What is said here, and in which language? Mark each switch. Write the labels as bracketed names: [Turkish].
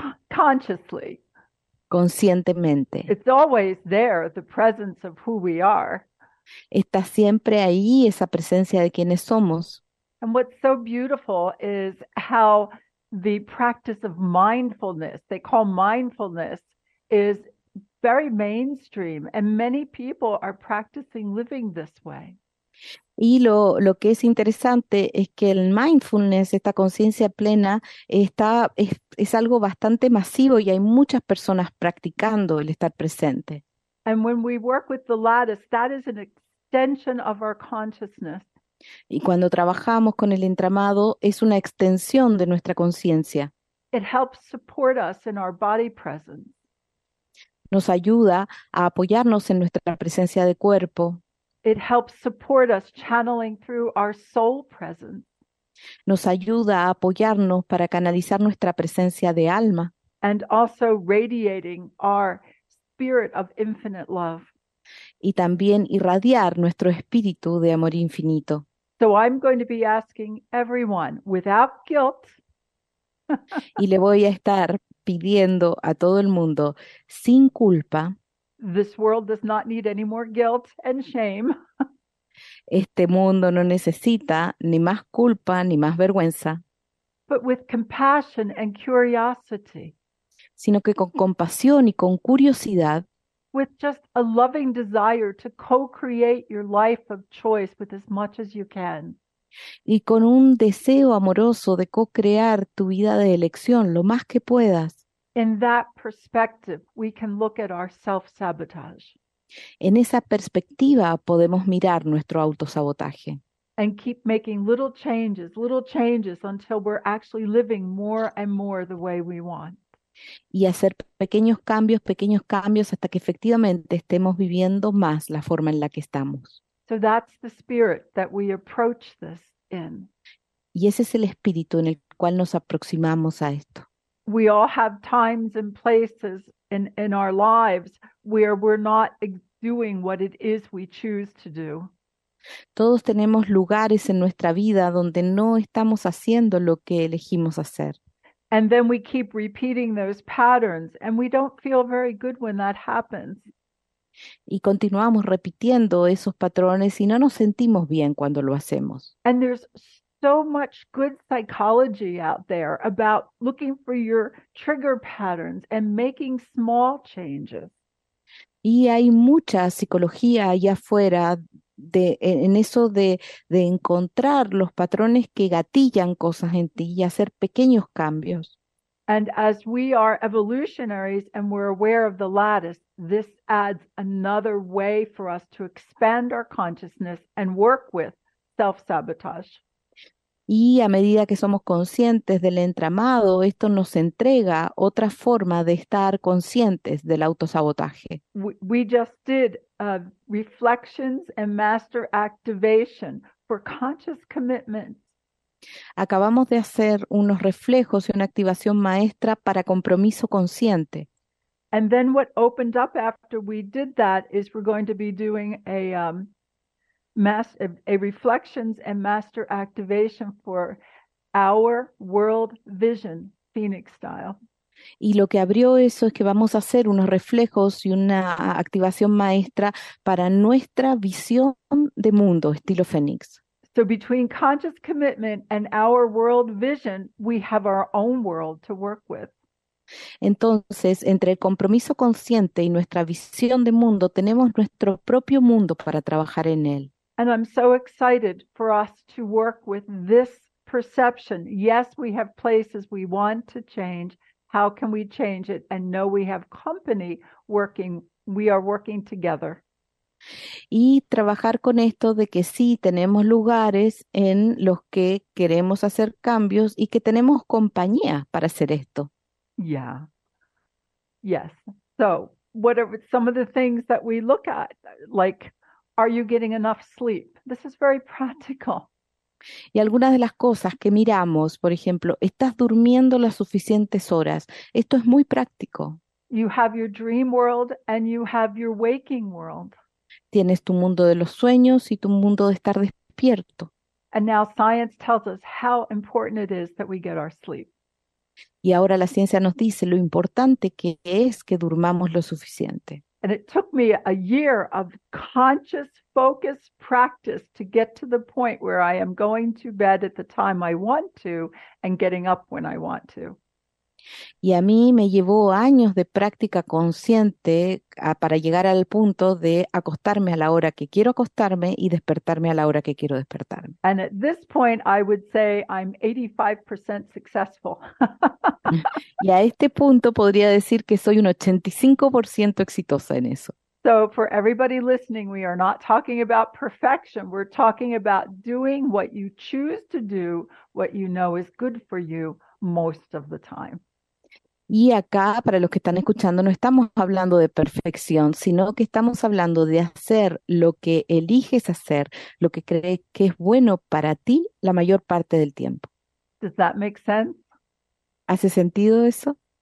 [English] Consciously. [Spanish] Conscientemente. [English] It's always there, the presence of who we are. [Spanish] Está siempre ahí esa presencia de quienes somos. [English] And what's so beautiful is how the practice of mindfulness, they call mindfulness, is very mainstream, and many people are practicing living this way. [Spanish] Y lo que es interesante es que el mindfulness, esta conciencia plena, es algo bastante masivo y hay muchas personas practicando el estar presente. [English] And when we work with the lattice, that is an extension of our consciousness. [Spanish] Y cuando trabajamos con el entramado, es una extensión de nuestra conciencia. [English] It helps support us in our body presence. [Spanish] Nos ayuda a apoyarnos en nuestra presencia de cuerpo. [English] It helps support us channeling through our soul presence. [Spanish] Nos ayuda a apoyarnos para canalizar nuestra presencia de alma. [English] And also radiating our spirit of infinite love. [Spanish] Y también irradiar nuestro espíritu de amor infinito. [English] So I'm going to be asking everyone, without guilt. [Spanish] Y le voy a estar pidiendo a todo el mundo, sin culpa. [English] This world does not need any more guilt and shame. [Spanish] Este mundo no necesita ni más culpa ni más vergüenza. [English] But with compassion and curiosity. [Spanish] Sino que con compasión y con curiosidad. [English] With just a loving desire to co-create your life of choice with as much as you can. [Spanish] Y con un deseo amoroso de co-crear tu vida de elección lo más que puedas. [English] In that perspective, we can look at our self-sabotage. [Spanish] En esa perspectiva podemos mirar nuestro autosabotaje. [English] And keep making little changes until we're actually living more and more the way we want. [Spanish] Y hacer pequeños cambios hasta que efectivamente estemos viviendo más la forma en la que estamos. [English] So that's the spirit that we approach this in. [Spanish] Y ese es el espíritu en el cual nos aproximamos a esto. [English] We all have times and places in our lives where we're not doing what it is we choose to do. [Spanish] Todos tenemos lugares en nuestra vida donde no estamos haciendo lo que elegimos hacer. [English] And then we keep repeating those patterns, and we don't feel very good when that happens. [Spanish] Y continuamos repitiendo esos patrones y no nos sentimos bien cuando lo hacemos. [English] And there's so much good psychology out there about looking for your trigger patterns and making small changes. [Spanish] Y hay mucha psicología allá afuera de, en eso de encontrar los patrones que gatillan cosas en ti y hacer pequeños cambios. [English] And as we are evolutionaries and we're aware of the lattice, this adds another way for us to expand our consciousness and work with self-sabotage. [Spanish] Y a medida que somos conscientes del entramado, esto nos entrega otra forma de estar conscientes del autosabotaje. [English] We just did reflections and master activation for conscious commitment. [Spanish] Acabamos de hacer unos reflejos y una activación maestra para compromiso consciente. [English] And then what opened up after we did that is we're going to be doing a reflections and master activation for our world vision, Phoenix style. [Spanish] Y lo que abrió eso es que vamos a hacer unos reflejos y una activación maestra para nuestra visión de mundo, estilo Fénix. [English] So between conscious commitment and our world vision, we have our own world to work with. [Spanish] Entonces, entre el compromiso consciente y nuestra visión de mundo, tenemos nuestro propio mundo para trabajar en él. [English] And I'm so excited for us to work with this perception. Yes, we have places we want to change. How can we change it? And no, we have company working. We are working together. [Spanish] Y trabajar con esto de que sí, tenemos lugares en los que queremos hacer cambios y que tenemos compañía para hacer esto. [English] Yeah. Yes. So, what are some of the things that we look at? Like, are you getting enough sleep? This is very practical. [Spanish] Y algunas de las cosas que miramos, por ejemplo, ¿estás durmiendo las suficientes horas? Esto es muy práctico. [English] You have your dream world and you have your waking world. [Spanish] Tienes tu mundo de los sueños y tu mundo de estar despierto. [English] And now science tells us how important it is that we get our sleep. [Spanish] Y ahora la ciencia nos dice lo importante que es que durmamos lo suficiente. [English] And it took me a year of conscious focus practice to get to the point where I am going to bed at the time I want to and getting up when I want to. [Spanish] Y a mí me llevó años de práctica consciente para llegar al punto de acostarme a la hora que quiero acostarme y despertarme a la hora que quiero despertarme. [English] And at this point, I would say I'm 85% successful. [Spanish] Y a este punto podría decir que soy un 85% exitosa en eso. [English] So for everybody listening, we are not talking about perfection. We're talking about doing what you choose to do, what you know is good for you. Most of the time. [Spanish] Y acá, para los que están escuchando, no estamos hablando de perfección, sino que estamos hablando de hacer lo que eliges hacer, lo que crees que es bueno para ti la mayor parte del tiempo. [English] Does that make sense? [Spanish] ¿Hace sentido eso?